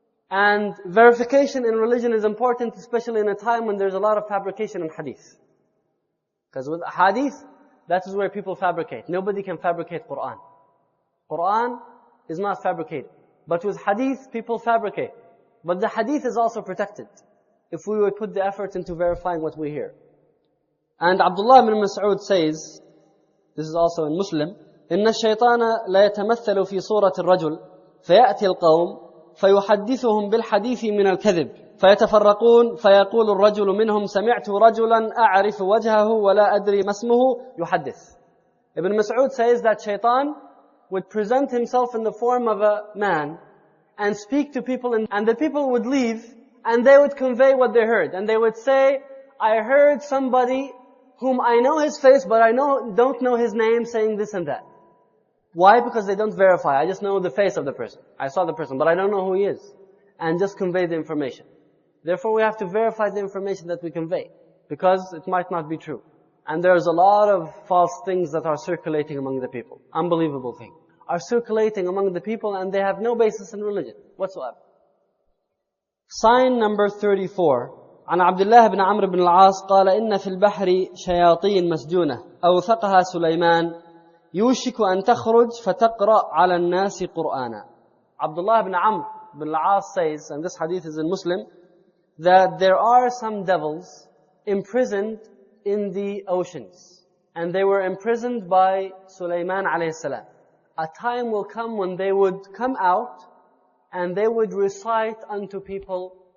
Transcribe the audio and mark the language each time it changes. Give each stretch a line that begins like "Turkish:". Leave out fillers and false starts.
English: And verification in religion is important, especially in a time when there's a lot of fabrication in hadith. Because with hadith, that is where people fabricate. Nobody can fabricate Quran. Quran is not fabricated. But with hadith, people fabricate. But the hadith is also protected if we would put the effort into verifying what we hear. And Abdullah ibn Mas'ud says, this is also in Muslim,
Arabic: إِنَّ الشَّيْطَانَ لَيَتَمَثَّلُ فِي صُورَةِ الرَّجُلِ فَيَأْتِي الْقَوْمِ فَيُحَدِّثُهُمْ بِالْحَدِيثِ مِنَ الْكَذِبِ فَيَتَفَرَّقُونَ فَيَقُولُ الرَّجُلُ مِنْهُمْ سَمِعْتُ رَجُلًا أَعْرِفُ وَجْهَهُ وَلَا أَدْرِي مَا اسْمُهُ يُحَدِّثُ.
English: Ibn Mas'ud says that Shaytan would present himself in the form of a man and speak to people, and the people would leave and they would convey what they heard. And they would say, I heard somebody whom I know his face, but I don't know his name, saying this and that. Why? Because they don't verify. I just know the face of the person. I saw the person, but I don't know who he is. And just convey the information. Therefore, we have to verify the information that we convey. Because it might not be true. And there's a lot of false things that are circulating among the people. Unbelievable things are circulating among the people, and they have no basis in religion whatsoever. Sign number 34.
Arabic: عن عبد الله بن عمرو بن العاص قال إن في البحر شياطين مسجونة أوثقها سليمان يوشك أن تخرج فتقرأ على الناس قرآنا.
English: عبد الله بن عمرو بن العاص says, and this hadith is in Muslim, that there are some devils imprisoned in the oceans, and they were imprisoned by Sulaiman alayhi salam. A time will come when they would come out and they would recite unto people.